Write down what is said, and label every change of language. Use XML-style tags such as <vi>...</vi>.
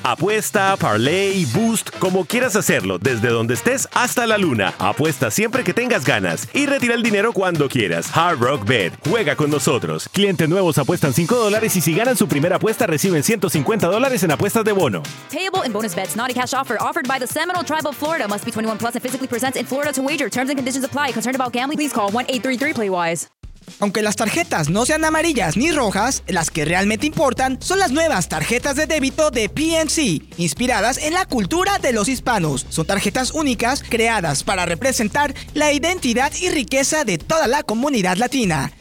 <es>Apuesta, parlay, boost, como quieras hacerlo, desde donde estés hasta la luna. Apuesta siempre que tengas ganas y retira el dinero cuando quieras. Hard Rock Bet. Juega con nosotros. Clientes nuevos apuestan $5 y si ganan su primera apuesta reciben $150 en apuestas de bono.</es> <en>Table and bonus bets. Not a cash offer. Offered by the Seminole Tribe of Florida. Must be 21 plus and physically presents in Florida to wager. Terms and conditions apply. Concerned about gambling? Please call 1-833-PLAYWISE.</en> <es>Aunque las tarjetas no sean amarillas ni rojas, las que realmente importan son las nuevas tarjetas de débito de PNC, inspiradas en la cultura de los hispanos. Son tarjetas únicas creadas para representar la identidad y riqueza de toda la comunidad latina.</es>